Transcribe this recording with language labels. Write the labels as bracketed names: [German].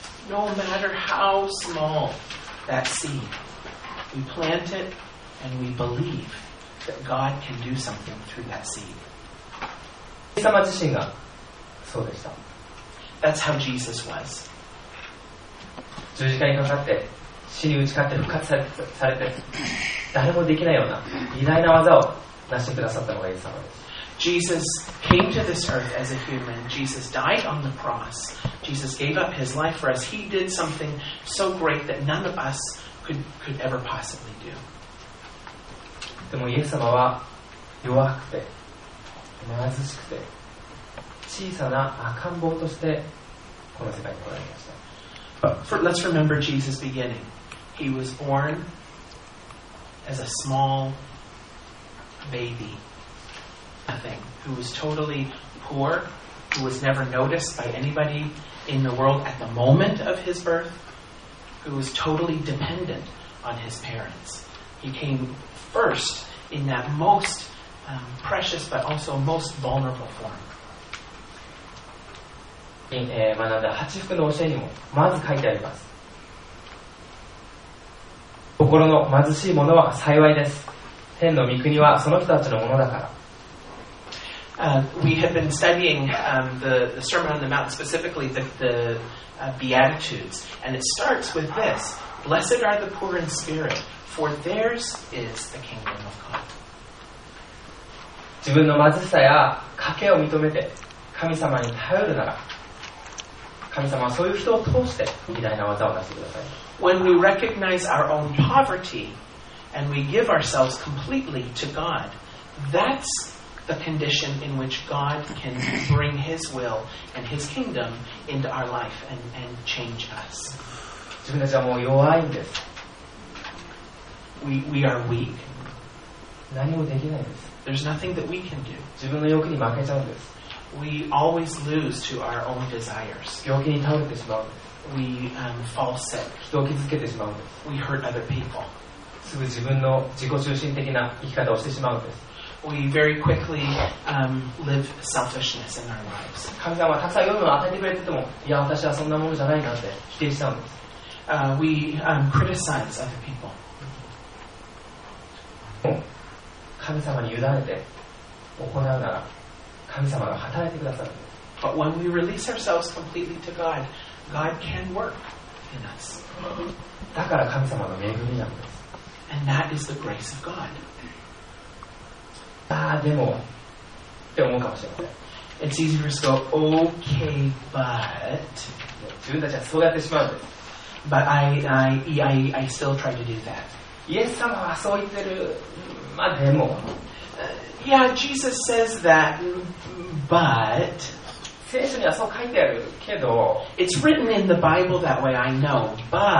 [English] No matter how small that seed, we plant it and we believe that God can do something through that seed. [Japanese] 神様自身がそうでした。 [English] That's how Jesus was. [Japanese] 十字架にかかって死に打ち勝って復活されて誰もできないような偉大な技を成してくださったのがイエス様です。 [English] Jesus came to this earth as a human. Jesus died on the cross. Jesus gave up his life for us. He did something so great that none of us could ever possibly do. [Japanese] でもイエス様は弱くて貧しくて小さな赤ん坊としてこの世界に来られました。 [English] Let's remember Jesus' beginning. He was born as a small baby. Nothing, who was totally poor, who was never noticed by anybody in the world at the moment of his birth, who was totally dependent on his parents. He came first in that most precious but also most vulnerable form. [Japanese] In 学んだ八福の教えにもまず書いてあります。心の貧しいものは幸いです。天の御国はその人たちのものだから。 [English] We have been studying the Sermon on the Mount, specifically the Beatitudes, and it starts with this: Blessed are the poor in spirit, for theirs is the kingdom of God. [Japanese] 自分の貧しさや欠けを認めて神様に頼るなら、神様はそういう人を通して偉大な技を出してください。 [English] When we recognize our own poverty and we give ourselves completely to God, that'sthe condition in which God can bring His will and His kingdom into our life and change us. [Japanese] 自分たちはもう弱いんです。 [English] We are weak. [Japanese] 何もできないです。 [English] There's nothing that we can do. [Japanese] 自分の欲に負けちゃうんです。 [English] We always lose to our own desires. [Japanese] 病気に倒れてしまうんです。 [English] We fall sick. [Japanese] 人を傷つけてしまうんです。 [English] We hurt other people. [Japanese] すぐ自分の自己中心的な生き方をしてしまうんです。 [English] We very quickly live selfishness in our lives. [Japanese] 神様はたくさん良いものを与えてくれてても、いや私はそんなものじゃないなんて否定したんです。 [English] We criticize other people. [Japanese] 神様に委ねて行うなら、神様が働いてくださるんです。 [English] But when we release ourselves completely to God, God can work in us. [Japanese] だから神様の恵みなんです。 [English] And that is the grace of God. [Japanese] ああでもって思うかもしれません。 [English] It's easy for us to go, okay, but [Japanese] 自分たちはそうやってしまうんです。 [English] But I still try to do that. [Japanese] イエス様はそう言ってる。まあでも。 [English] Yeah, Jesus says that, but [Japanese] 聖書にはそう書いてあるけど。 [English] It's written in the Bible that way, I know, but